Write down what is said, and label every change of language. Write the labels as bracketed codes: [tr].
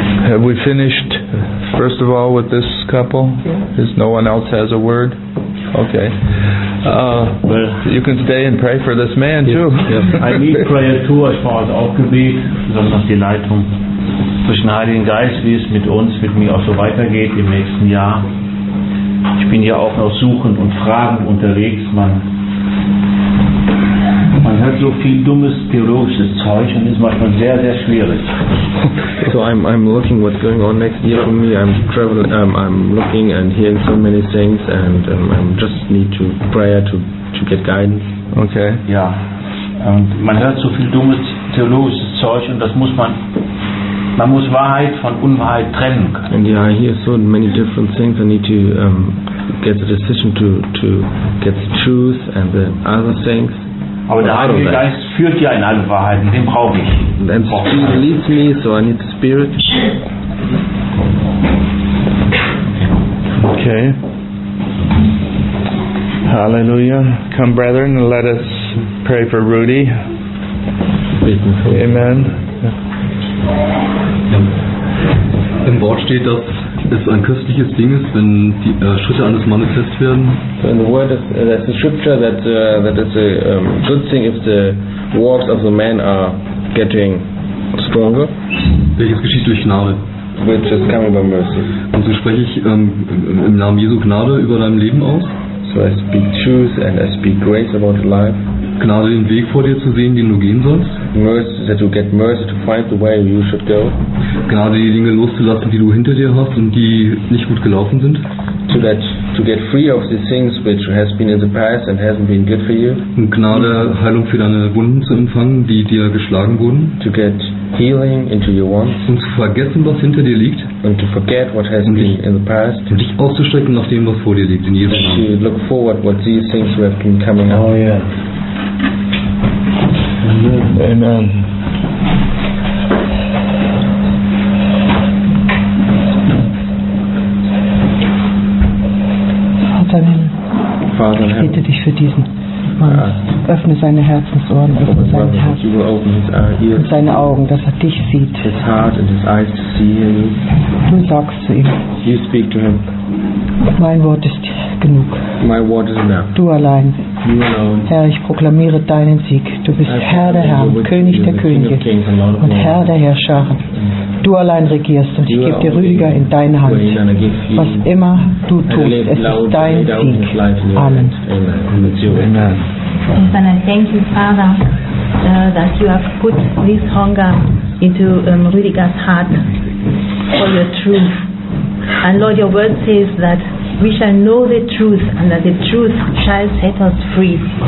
[en] Have we finished, first of all, with this couple? Is no one else has a word? Okay. Well, you can stay and pray for this man, too. Yes. I need prayer, too. [de] Ich brauche also auch Gebet, besonders die Leitung durch den Heiligen Geist, wie es mit uns, mit mir auch so weitergeht im nächsten Jahr. Ich bin ja auch noch suchend und fragend unterwegs, Man hört so viel dummes theologisches Zeug und ist manchmal sehr, sehr schwierig. [en] So I'm looking what's going on next year for me. I'm traveling. I'm looking and hearing so many things and I just need to prayer to get guidance. Okay. [de] Ja. Und man hört so viel dummes theologisches Zeug und das muss man. Man muss Wahrheit von Unwahrheit trennen können. [en] And yeah, I hear so many different things. I need to get the decision to get the truth and the other things. [de] Aber der Heilige Geist führt ja in alle Wahrheiten, den brauche ich. [en] And Spirit leads me, so I need the Spirit. Okay. Hallelujah. Come, brethren, and let us pray for Rudy. Amen. [de] Im Wort steht, dass es ein köstliches Ding ist, wenn die Schritte eines Mannes fest werden. [en] So in the word that's the scripture that is a good thing if the walks of the man are getting stronger. [de] Welches geschieht durch Gnade. [en] Which is coming by mercy. [de] Und so spreche ich im Namen Jesu Gnade über deinem Leben aus. [en] So I speak truth and I speak grace about your life. [de] Gnade den Weg vor dir zu sehen, den du gehen sollst. [en] Mercy, that you get mercy to find the way you should go. [de] Gnade die Dinge loszulassen, die du hinter dir hast und die nicht gut gelaufen sind. [en] To that, to get free of the things which has been in the past and hasn't been good for you. [de] Und Gnade Heilung für deine Wunden zu empfangen, die dir geschlagen wurden. [en] To get healing into your wounds. [de] Und zu vergessen, was hinter dir liegt. [en] And to forget what has been in the past. [de] Und dich auszustrecken nach dem, was vor dir liegt, in Jesu Namen. [en] To look forward what these things have been coming up. Oh yeah. Amen. [de] Vater, ich bitte dich für diesen Mann. Öffne seine Herzensohren, öffne sein Herz und seine Augen, dass er dich sieht. Du sagst zu ihm. [en] You speak to him. [de] Mein Wort ist genug. [en] My word is enough. [de] Du allein. [en] You alone. [de] Herr, ich proklamiere deinen Sieg. Du bist Herr der Herren, König der Könige und Herr der Herrscher. Du allein regierst und ich gebe dir Rüdiger in deine Hand. Was immer du tust, es ist dein Sieg. [en] Amen. Amen. And I thank you, Father, that you have put this hunger into Rüdiger's heart for your truth. And Lord, your word says that we shall know the truth and that the truth shall set us free.